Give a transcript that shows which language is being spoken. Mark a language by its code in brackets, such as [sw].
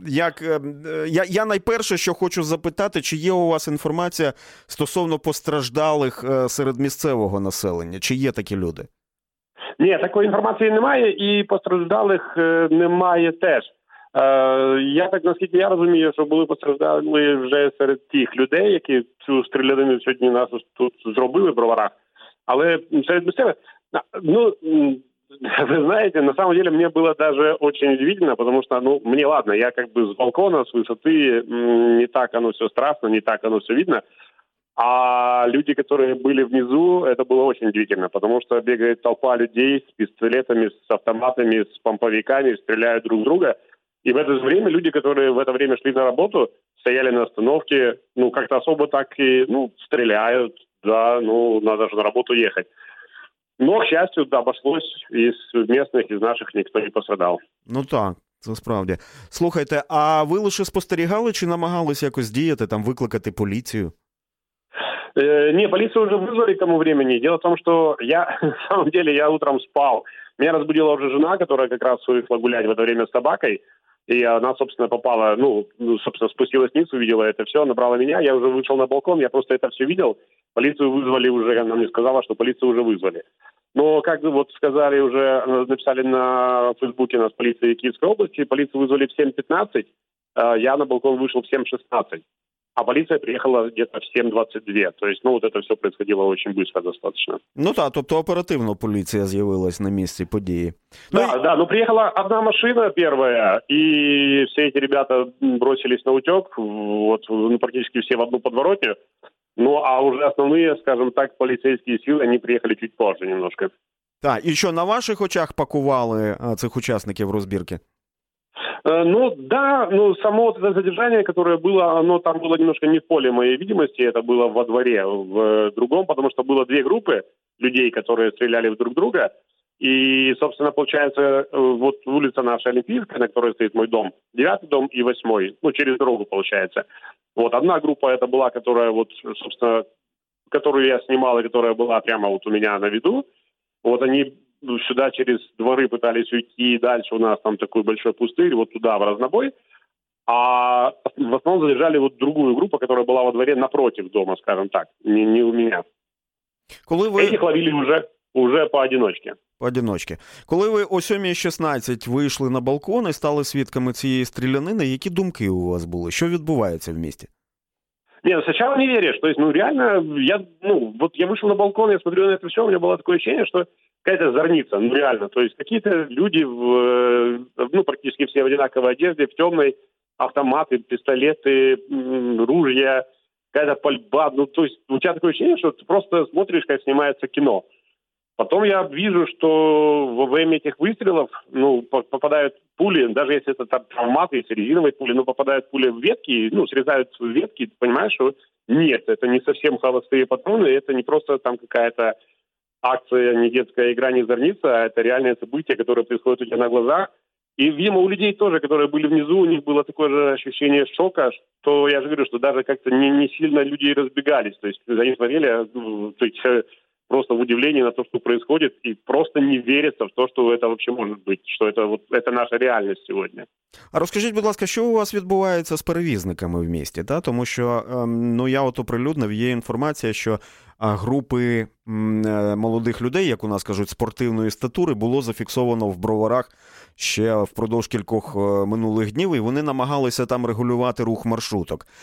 [uk] Як, я найперше, що хочу запитати, чи є у вас інформація стосовно постраждалих серед місцевого населення? Чи є такі люди? Ні, такої інформації немає, і постраждалих немає теж. Я так, наскільки я розумію, що були постраждали вже серед тих людей, які цю стрілянину сьогодні нас тут зробили в Броварах. Але серед місцевих... [ru] Ну, вы знаете, на самом деле мне было даже очень удивительно, потому что, ну, мне ладно, я как бы с балкона, с высоты, не так оно все страшно, не так оно все видно. А люди, которые были внизу, это было очень удивительно, потому что бегает толпа людей с пистолетами, с автоматами, с помповиками, стреляют друг в друга. И в это время люди, которые в это время шли на работу, стояли на остановке, ну, как-то особо так и, ну, стреляют, да, ну, надо же на работу ехать. Но, к счастью, да, обошлось, из местных, из наших никто не пострадал. [uk] Ну так, це справді. Слухайте, а ви лише спостерігали, чи намагались якось діяти, там, викликати поліцію? Ні, поліцію вже визвали [ru] к тому времени. Дело в том, что я, на самом деле, я утром спал. Меня разбудила уже жена, которая как раз вышла гулять в это время с собакой. И она, собственно, попала, ну, собственно, спустилась вниз, увидела это все, набрала меня. Я уже вышел на балкон, я просто это все видел. Полицию вызвали уже, она мне сказала, что полицию уже вызвали. Но, как вот сказали уже, написали на Фейсбуке нас полиции Киевской области, полицию вызвали в 7:15, я на балкон вышел в 7:16, а полиция приехала где-то в 7:22. То есть, ну, вот это все происходило очень быстро достаточно. [uk] Ну да, тобто оперативно полиция з'явилась [ru] на месте [uk] події. [ru] Да, да, но приехала одна машина первая, и все эти ребята бросились на утек, вот, ну, практически все в одну подворотню. Ну, а уже основные, скажем так, полицейские силы, они приехали чуть позже немножко. [uk] Так, [ru] и что, [uk] на ваших очах пакували цих учасників розбірки? [ru] Ну, да, ну, само вот это задержание, которое было, оно там было немножко не в поле моей видимости, это было во дворе, в другом, потому что было две группы людей, которые стреляли в друг друга, и, собственно, получается, вот улица наша Олимпийская, на которой стоит мой дом, 9-й дом и 8-й, ну, через дорогу, получается. Вот, одна группа это была, которая вот, собственно, которую я снимал, и которая была прямо вот у меня на виду. Вот они сюда через дворы пытались уйти, и дальше у нас там такой большой пустырь, вот туда, в разнобой. А в основном задержали вот другую группу, которая была во дворе напротив дома, скажем так, не у меня. [uk] Коли вы... [ru] Этих ловили уже поодиночке. Поодиночке. [uk] Коли ви о 7:16 вийшли на балкон і стали свідками цієї стрілянини, які думки у вас були? Що відбувається в місті? Ні, спочатку не віриш. Тобто, ну, реально, я, ну, от я вийшов на балкон, я смотрю на це все, у мене було таке відчуття, що якась зарниця, ну, реально. Тобто, якісь люди, ну, практично всі в одинаковій одежді, в темній, автомати, пістолети, ружья, якась пальба. Ну, тобто, у тебе таке відчуття, що ти просто смотриш, як знімається кіно. [ru] Потом я вижу, что во время этих выстрелов, ну, попадают пули, даже если это там травматы, если резиновые пули, но попадают пули в ветки, ну, срезают ветки, понимаешь, что нет, это не совсем холостые патроны, это не просто там какая-то акция, не детская игра, не зарница, а это реальное событие, которое происходит у тебя на глазах. И, видимо, у людей тоже, которые были внизу, у них было такое же ощущение шока, что я же говорю, что даже как-то не сильно люди разбегались, то есть они смотрели, то есть... просто в удивлении на то, что происходит, и просто не верится в то, что это вообще может быть, что это вот это наша реальность сегодня. А расскажите, [uk] будь ласка, що у вас відбувається з перевізниками в місті, да? Тому що, ну, я от оприлюднив, є інформація, що групи молодих людей, як у нас кажуть, спортивної статури, було зафіксовано в Броварах ще впродовж кількох минулих днів, і вони намагалися там регулювати рух маршруток.